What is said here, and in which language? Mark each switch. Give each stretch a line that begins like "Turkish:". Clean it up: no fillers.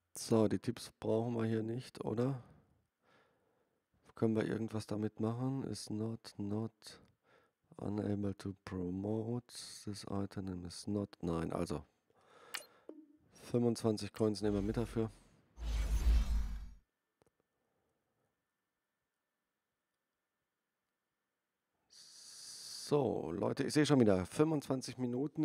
German: So, die Tipps brauchen wir hier nicht, oder? Können wir irgendwas damit machen?
English: Is not unable to promote. This item is not.
German: Nein, also 25 Coins nehmen wir mit dafür. So, Leute, ich sehe schon wieder 25 Minuten.